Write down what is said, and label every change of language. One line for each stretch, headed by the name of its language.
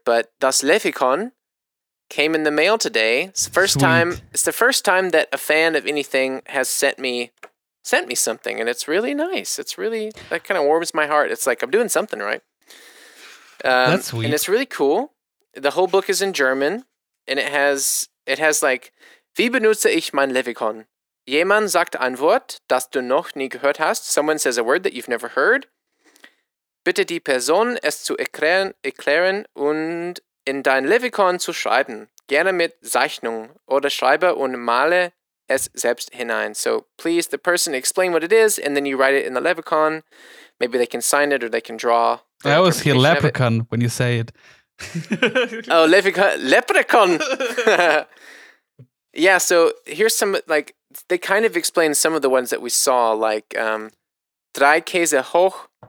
English: But Das Lefikon came in the mail today. It's the first Sweet. Time. It's the first time that a fan of anything has sent me something. And it's really nice. It's really, that kind of warms my heart. It's like I'm doing something right. That's sweet. And it's really cool. The whole book is in German. And it has like,
German: wie benutze ich mein Levicon? Jemand sagt ein Wort, das du noch nie gehört hast.
English: Someone says a word that you've never heard.
German: Bitte die Person, es zu erklären und in dein Levicon zu schreiben. Gerne mit Zeichnung oder schreibe und male es selbst hinein.
English: So please, the person explain what it is, and then you write it in the Levicon. Maybe they can sign it or they can draw. I always hear leprechaun when you say it. Oh, leprechaun. Yeah, so here's some, like, they kind of explain some of the ones that we saw, like Dreikäsehoch.